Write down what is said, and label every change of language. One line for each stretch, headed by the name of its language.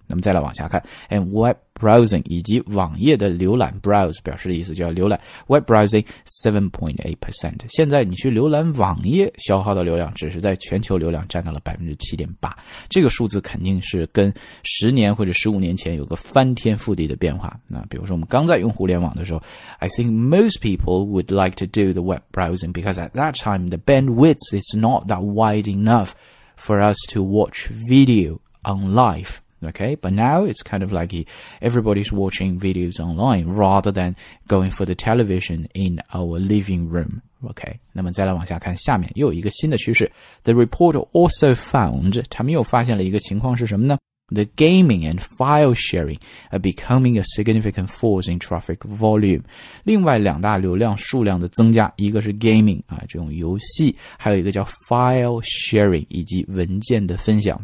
Chinese: 那么再来往下看 ，
English: and web browsing
Chinese: 以及网页的浏览 ，browse 表示的意思就要浏览 ，web browsing 7.8%。现在你去浏览网页消耗的流量只是在全球流量占到了 7.8%， 这个数字肯定是跟10年或者15年前有个翻天覆地的变化。那比如说我们刚在用互联网的时候
English: ，I think most people would like to do the web browsing because at that time the bandwidth is not that wide enough for us to watch video on live。 Okay, but now it's kind of like everybody's watching videos online rather than going for the television in our living room.
Chinese: Okay, 那么再来往下看，下面又有一个新的趋势。
English: The report also found,
Chinese: 他们又发现了一个情况是什么呢？
English: The gaming and file sharing are becoming a significant force in traffic volume.
Chinese: 另外两大流量数量的增加，一个是 gaming, 啊，这种游戏，还有一个叫 file sharing, 以及文件的分享。